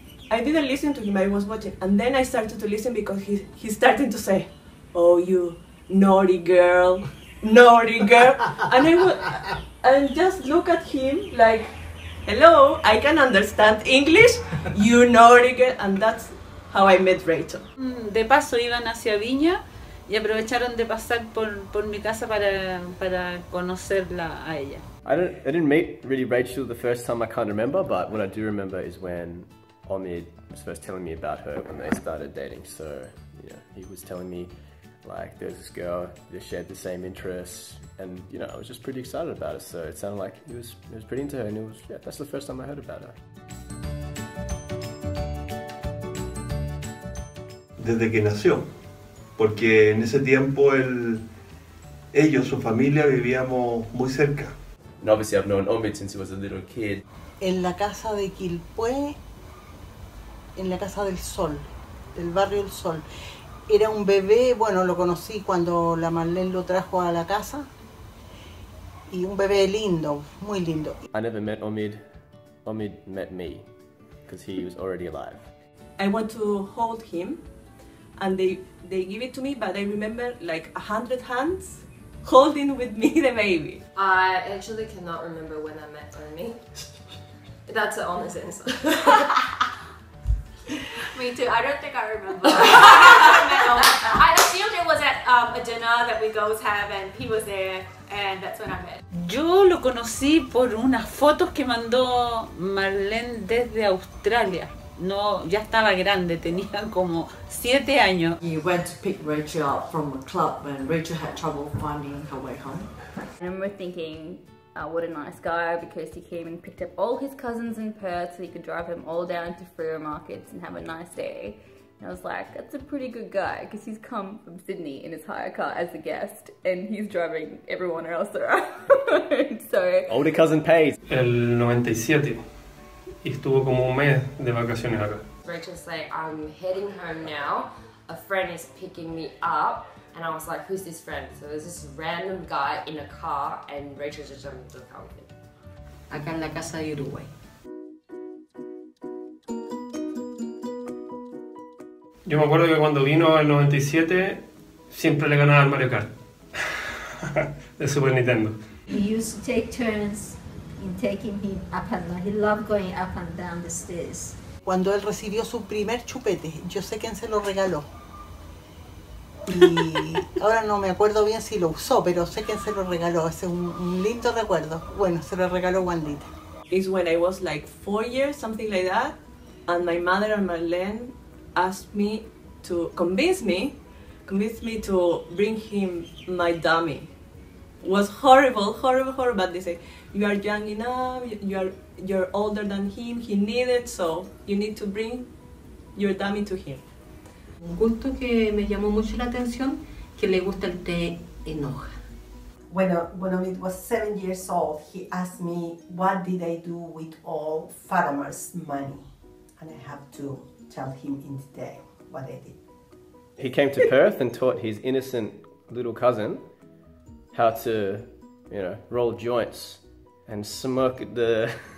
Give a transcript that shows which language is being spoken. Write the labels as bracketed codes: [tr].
[en] I didn't listen to him, I was watching. And then I started to listen because he started to say, oh, you naughty girl, naughty girl. And I just look at him like, hello, I can understand English, you naughty girl. And that's how I met Rachel. [es] De paso, iban hacia Viña. Y aprovecharon de pasar por mi casa para conocerla a ella. [en] I didn't meet really Rachel the first time, I can't remember, but what I do remember is when Omid was first telling me about her when they started dating. So, you know, he was telling me, like, there's this girl, they shared the same interests, and, you know, I was just pretty excited about it. So it sounded like he was pretty into her, and it was, yeah, that's the first time I heard about her. [es] Desde que nació. Porque en ese tiempo ellos, su familia, vivíamos muy cerca. [en] And obviously I've known Omid since he was a little kid. [es] En la casa de Quilpué, en la casa del Sol, del barrio del Sol. Era un bebé, bueno, lo conocí cuando la Marlene lo trajo a la casa. Y un bebé lindo, muy lindo. [en] I never met Omid. Omid met me, because he was already alive. I want to hold him. And they give it to me, but I remember like 100 hands holding with me the baby. I actually cannot remember when I met Omid. That's an honest answer. Me too. I don't think I remember. I assumed it was at a dinner that we girls have, and he was there, and that's when I met. [es] Yo lo conocí por unas fotos que mandó Marlene desde Australia. No, ya estaba grande, tenía como 7 años. [en] He went to pick Rachel up from a club when Rachel had trouble finding her way home. I remember thinking, oh, what a nice guy, because he came and picked up all his cousins in Perth so he could drive them all down to Freo markets and have a nice day. And I was like, that's a pretty good guy, because he's come from Sydney in his hire car as a guest and he's driving everyone else around. So, older cousin pays. [es] El 97. Y estuvo como un mes de vacaciones acá. [en] Rachel's like, I'm heading home now. A friend is picking me up. And I was like, who's this friend? So there's this random guy in a car and Rachel just jumped into the car with him. [es] Acá en la casa de Uruguay. Yo me acuerdo que cuando vino el 97, siempre le ganaba al Mario Kart. De Super Nintendo. [en] We used to take turns. In taking him up and down. He loved going up and down the stairs. [es] Cuando él recibió su primer chupete, yo sé quién se lo regaló. Y ahora no me acuerdo bien si lo usó, pero sé quién se lo regaló. Es un lindo recuerdo. Bueno, se lo regaló Wandita. [en] It's when I was like 4 years, something like that, and my mother and Marlene asked me to convince me to bring him my dummy. was horrible, horrible, horrible. But they say, you are young enough, you're older than him, he needed, so you need to bring your dummy to him. [es] Un gusto que me llamó mucho la atención, que le gusta el té enoja. [en] When Omid was 7 years old, he asked me, what did I do with all Fatima's money? And I have to tell him in detail what I did. He came to Perth and taught his innocent little cousin how to, you know, roll joints and smoke the...